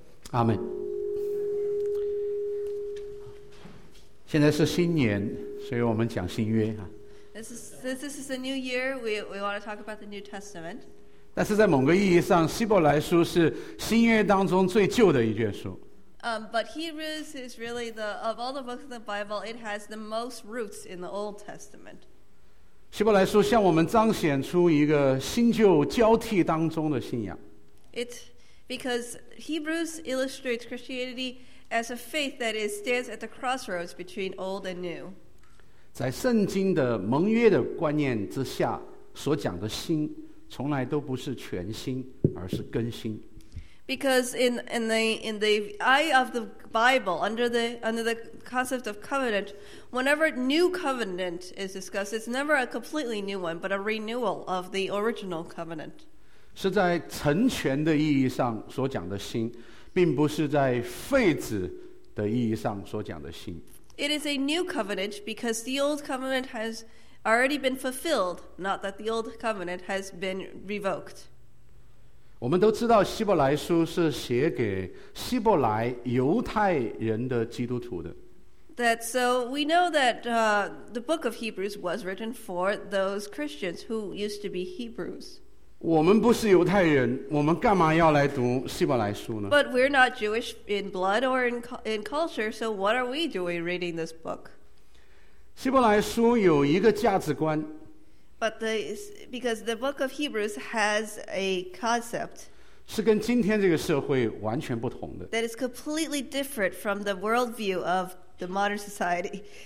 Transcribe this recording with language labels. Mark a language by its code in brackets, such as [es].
[zh] 阿们。现在是新年，所以我们讲新约啊。 [en] This is a new year. We want to talk about the New Testament. [zh] 但是在某个意义上，希伯来书是新约当中最旧的一卷书。 [en] But Hebrews is really the of all the books of the Bible, it has the most roots in the Old Testament. [zh] 希伯来书向我们彰显出一个新旧交替当中的信仰。 [en] Because Hebrews illustrates Christianity as a faith that is stands at the crossroads between old and new. [zh] 在圣经的盟约的观念之下，所讲的新从来都不是全新，而是更新。 [en] Because in the eye of the Bible, under the concept of covenant, whenever new covenant is discussed, it's never a completely new one, but a renewal of the original covenant. [zh] 是在成全的意义上所讲的新，并不是在废止的意义上所讲的新。 [en] It is a new covenant because the old covenant has already been fulfilled, not that the old covenant has been revoked. [zh] 我们都知道希伯来书是写给希伯来犹太人的基督徒的。 [en] That so we know that the book of Hebrews was written for those Christians who used to be Hebrews. [zh] 我们不是犹太人，我们干嘛要来读希伯来书呢 [en] ？But we're not Jewish in blood or in culture, so what are we doing reading this book? [zh] 希伯来书有一个价值观。 [en] But because the book of Hebrews has a concept [zh] 是跟今天这个社会完全不同的。 [en] That is completely different from the worldview of the modern society.